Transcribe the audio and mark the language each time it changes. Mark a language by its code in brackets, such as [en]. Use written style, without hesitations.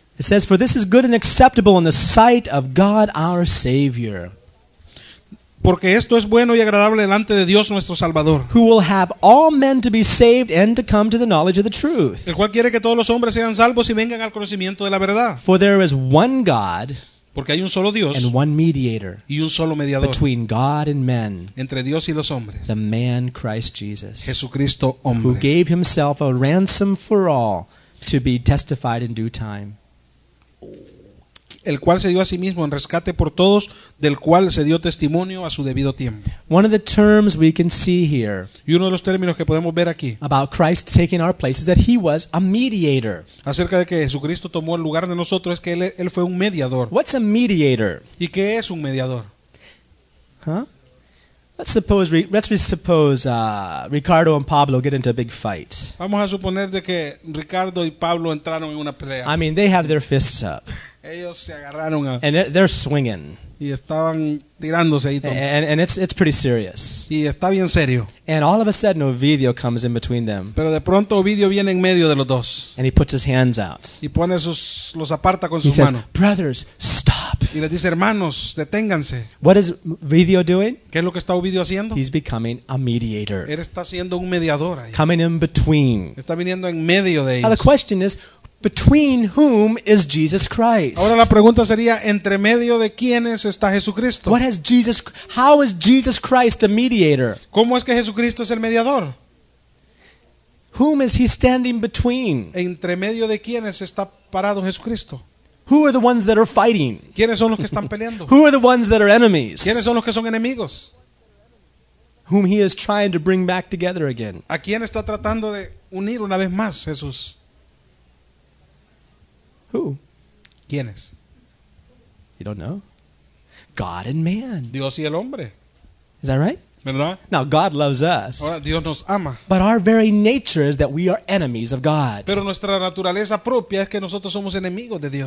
[en] It says, "For this is good and acceptable in the sight of God our Savior." [es] Porque esto es bueno y agradable delante de Dios nuestro Salvador. [en] Who will have all men to be saved and to come to the knowledge of the truth. [es] El cual quiere que todos los hombres sean salvos y vengan al conocimiento de la verdad. [en] For there is one God. [es] Porque hay un solo Dios. [en] And one mediator. [es] Y un solo mediador. [en] Between God and men. [es] Entre Dios y los hombres. [en] The man Christ Jesus. [es] Jesucristo hombre. [en] Who gave himself a ransom for all to be testified in due time. [es] El cual se dio a sí mismo en rescate por todos, del cual se dio testimonio a su debido tiempo. [en] One of the terms we can see here. [es] Y uno de los términos que podemos ver aquí. [en] About Christ taking our place is that he was a mediator. [es] Acerca de que Jesucristo tomó el lugar de nosotros es que él fue un mediador. [en] What's a mediator? [es] ¿Y qué es un mediador? Huh? [en] Let's suppose Ricardo and Pablo get into a big fight. [es] Vamos a suponer de que Ricardo y Pablo entraron en una pelea. [en] I mean, they have their fists up. [es] Ellos se agarraron a, [en] and they're swinging. [es] Y estaban tirándose ahí. [en] And it's pretty serious. [es] Y está bien serio. [en] And all of a sudden, Ovidio comes in between them. [es] Pero de pronto Ovidio viene en medio de los dos. [en] And he puts his hands out. [es] Y pone sus, los aparta con [en] he [es] sus [en] says, [es] manos. [en] Brothers, stop. [es] Y les dice, hermanos, deténganse. [en] What is Ovidio doing? [es] ¿Qué es lo que está Ovidio haciendo? [en] He's becoming a mediator. [es] Él está siendo un mediador ahí. [en] Coming in between. [es] Está viniendo en medio de ellos. [en] Now the question is, between whom is Jesus Christ? [es] Ahora la pregunta sería, ¿entre medio de quiénes está Jesucristo? [en] What has Jesus? How is Jesus Christ a mediator? [es] ¿Cómo es que Jesucristo es el mediador? [en] Whom is he standing between? [es] ¿Entre medio de quiénes está parado Jesucristo? [en] Who are the ones that are fighting? [es] ¿Quiénes son los que están peleando? [en] Who are the ones that are enemies? [es] ¿Quiénes son los que son enemigos? [en] Whom he is trying to bring back together again? [es] ¿A quién está tratando de unir una vez más Jesús? [en] Who? [es] ¿Quiénes? [en] You don't know. God and man. [es] Dios y el hombre. [en] Is that right? [es] ¿Verdad? [en] Now God loves us. [es] Ahora, Dios nos ama. [en] But our very nature is that we are enemies of God. [es] Pero nuestra naturaleza propia es que nosotros somos enemigos de Dios.